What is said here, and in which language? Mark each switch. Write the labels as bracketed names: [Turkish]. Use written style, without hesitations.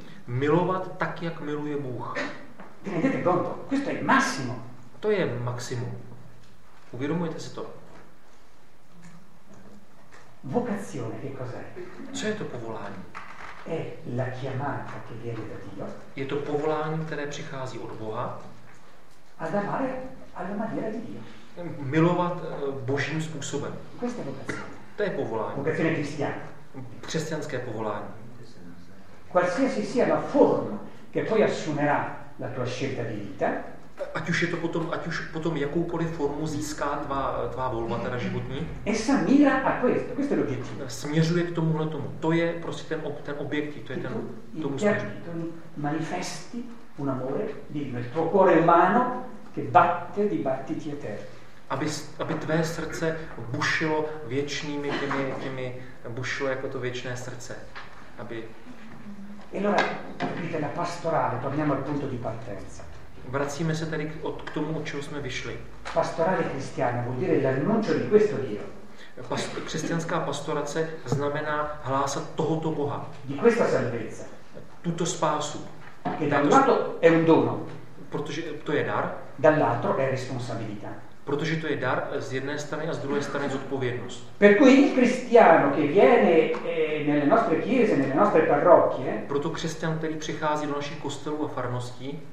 [Czech] Milovat tak, jak miluje Bůh. [Italian] Tenete conto, questo è massimo. [Czech] To je maximum. Uvědomujete si to? [Italian] Vocazione, che cos'è? [Czech] Co je to povolání? [Italian] È la chiamata che viene da Dio. [Czech] Je to povolání, které přichází od Boha. [Italian] Ad amare alla maniera di Dio. [Czech] Milovat božím způsobem. [Italian] Questa è vocazione. [Czech] To je povolání. [Italian] Vocazione cristiana. [Czech] Křesťanské povolání. [Italian] Qualsiasi sia la forma che poi assumerà la tua scelta di vita. [Czech] Ať už je to potom, ať už potom jakoukoliv formu získá tvá volba, teda životní. [Italian] Essa mira a questo, questo è l'obiettivo. [Czech] Směřuje k tomuhle tomu. To je prostě ten objektiv, to je ten tomu smeru. [Italian] Manifesti un amore divino, il tuo cuore umano che batte di battiti eterni. [Czech] Aby tvé srdce bušilo věčnými těmi bušilo jako to věčné srdce, aby. [Italian] E allora, capite la pastorale, torniamo al punto di partenza. [Czech] Vracíme se tedy k tomu, od čeho jsme vyšli. [Italian] Pastorale cristiana vuol dire l'annuncio di questo Dio. [Czech] Křesťanská pastorace znamená hlásat tohoto Boha. [Italian] Di questa salvezza. [Czech] Tuto spásu. [Italian] Che dall'altro è un dono. [Czech] Protože to je dar. [Italian] Dall'altro è responsabilità. [Czech] Protože to je dar z jedné strany a z druhé strany zodpovědnost. [Italian] Per cui il cristiano che viene nelle nostre chiese, nelle nostre parrocchie, [Czech] proto křesťan, který přichází do našich kostelů a farností,